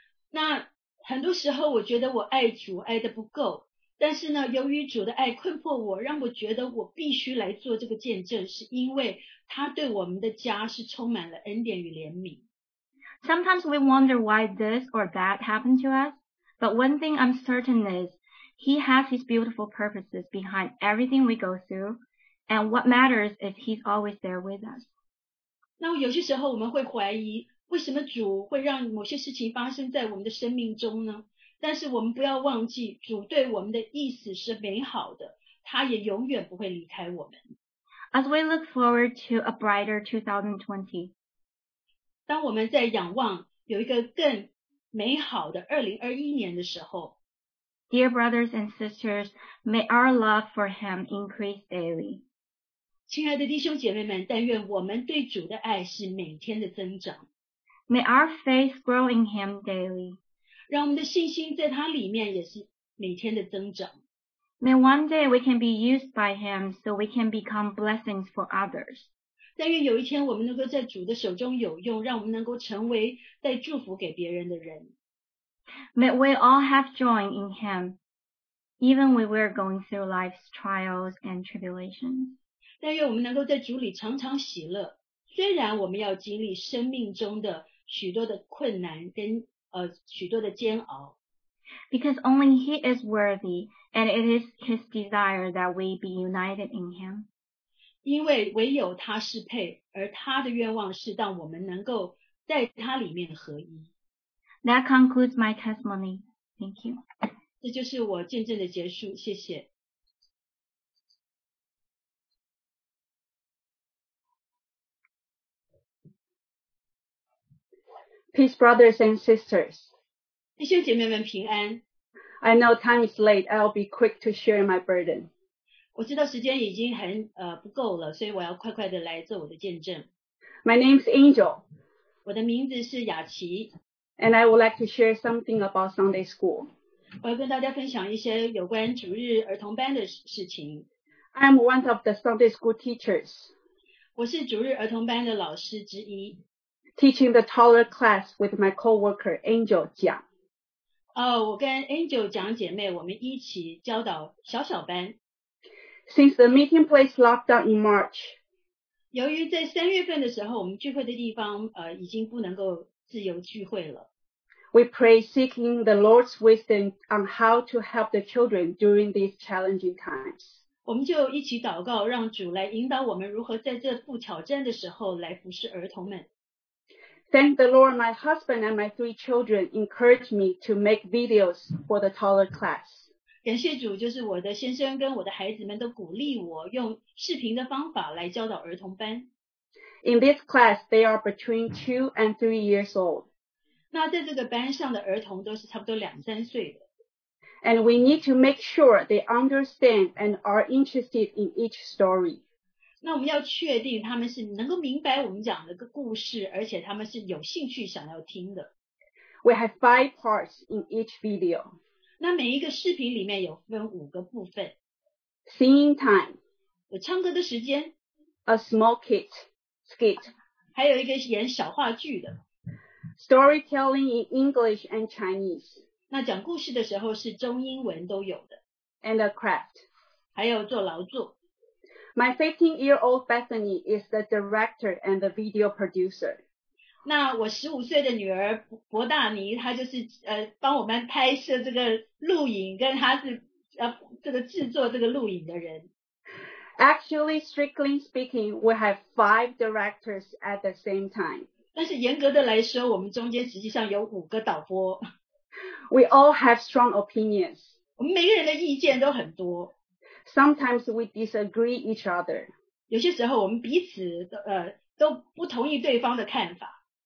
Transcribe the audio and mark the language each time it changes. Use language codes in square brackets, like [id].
[zh] 那很多时候我觉得我爱主爱得不够，但是呢，由于主的爱困迫我，让我觉得我必须来做这个见证，是因为他对我们的家是充满了恩典与怜悯。 [en] Sometimes we wonder why this or that happened to us, but one thing I'm certain is, he has his beautiful purposes behind everything we go through, and what matters is he's always there with us. [zh] 那有些时候我们会怀疑，为什么主会让某些事情发生在我们的生命中呢？但是我们不要忘记，主对我们的意思是美好的，他也永远不会离开我们。 [en] As we look forward to a brighter 2020, [zh] 当我们在仰望有一个更美好的2021年的时候， [en] Dear brothers and sisters, may our love for him increase daily. [zh] 亲爱的弟兄姐妹们，但愿我们对主的爱是每天的增长。 [en] May our faith grow in him daily. [zh] 让我们的信心在他里面也是每天的增长。 [en] May one day we can be used by him so we can become blessings for others. [zh] 但愿有一天我们能够在主的手中有用，让我们能够成为带祝福给别人的人。 [en] May we all have joy in him, even when we're going through life's trials and tribulations. [zh] 但愿我们能够在主里常常喜乐，虽然我们要经历生命中的许多的困难跟许多的煎熬。 [en] Because only He is worthy, and it is His desire that we be united in Him. [zh] 因为唯有他是配，而他的愿望是让我们能够在他里面合一。 [en] That concludes my testimony. Thank you. [zh] 这就是我见证的结束，谢谢。 [en] Peace, brothers and sisters. [zh] 弟兄姐妹们平安。 [en] I know time is late. I'll be quick to share my burden. [zh] 我知道时间已经很不够了，所以我要快快的来做我的见证。 [en] My name is Angel. [zh] 我的名字是雅琪。 [en] And I would like to share something about Sunday school. [zh] 我要跟大家分享一些有关主日儿童班的事情。 [en] I'm one of the Sunday school teachers. [zh] 我是主日儿童班的老师之一。 [en] Teaching the taller class with my co-worker, Angel 蒋。 [zh] 我跟 Angel 蒋姐妹我们一起教导小小班。 [en] Since the meeting place locked down in March, [zh] 由于在三月份的时候我们聚会的地方已经不能够自由聚会了。 [en] We pray seeking the Lord's wisdom on how to help the children during these challenging times. [zh] 我们就一起祷告，让主来引导我们如何在这不挑战的时候来服侍儿童们。 [en] Thank the Lord, my husband and my three children encouraged me to make videos for the taller class. [zh] 感谢主，就是我的先生跟我的孩子们都鼓励我用视频的方法来教导儿童班。 [en] In this class, they are between 2 and 3 years old. [zh] 那在这个班上的儿童都是差不多两三岁的。 [en] And we need to make sure they understand and are interested in each story. [zh] 那我们要确定他们是能够明白我们讲的个故事，而且他们是有兴趣想要听的。 [en] We have 5 parts in each video. [zh] 那每一个视频里面有分5个部分。 [en] Singing time. [zh] 有唱歌的时间。 [en] A small kit, skit. [zh] 还有一个演小话剧的。 [en] Storytelling in English and Chinese. [zh] 那讲故事的时候是中英文都有的。 [en] And a craft. [zh] 还有做劳作。 [en] My 15-year-old Bethany is the director and the video producer. [zh] 那我15岁的女儿博大尼，她就是帮我们拍摄这个录影，跟她是这个制作这个录影的人。 [en] Actually, strictly speaking, we have 5 directors at the same time. [zh] 但是严格的来说，我们中间实际上有5个导播。 [en] We all have strong opinions. [zh] 我们每个人的意见都很多。 [en] Sometimes we disagree each other. [zh] 有些时候我们彼此都不同意对方的看法。